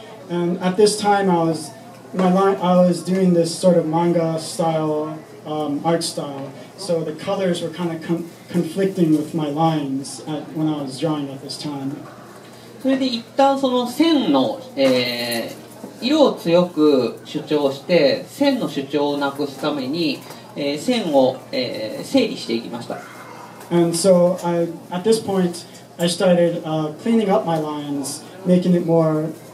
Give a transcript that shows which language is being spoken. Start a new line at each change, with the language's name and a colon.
English: And at this time, I was doing this sort of manga style, art style. So the colors were kind of conflicting with my lines when I was drawing at this time.
Japanese: それで一旦その線の、色を強く主張して線の主張をなくすために、線を、整理していきました。
English: And so at this point, I started cleaning up my lines, making it more.